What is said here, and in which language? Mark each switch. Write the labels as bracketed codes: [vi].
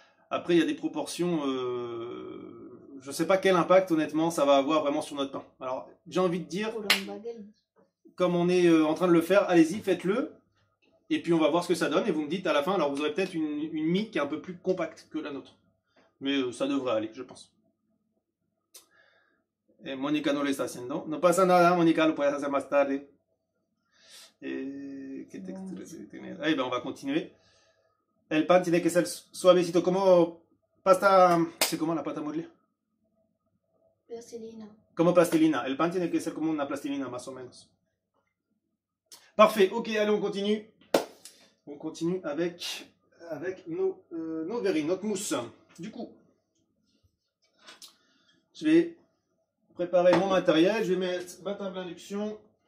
[fr] Après, il y a des proportions, je ne sais pas quel impact, honnêtement, ça va avoir vraiment sur notre pain. Alors, j'ai envie de dire, comme on est en train de le faire, allez-y, faites-le. Et puis, on va voir ce que ça donne. Et vous me dites à la fin, alors vous aurez peut-être une mie qui est un peu plus compacte que la nôtre. Mais ça devrait aller, je pense. [es] Et Monica no le está haciendo. No pasa nada, Monica lo puedes hacer más tarde. [fr] Eh ben on va continuer. [es] El pan tiene que ser suavecito. Como pasta, [fr] c'est comment la pâte à modeler? [es] Plastilina. Como plastilina. El pan tiene que ser como una plastilina, más o menos. [fr] Parfait. Ok, allez, on continue. On continue avec nos verrines, notre mousse. Du coup, je vais préparer mon matériel. Je vais mettre ma table d'induction.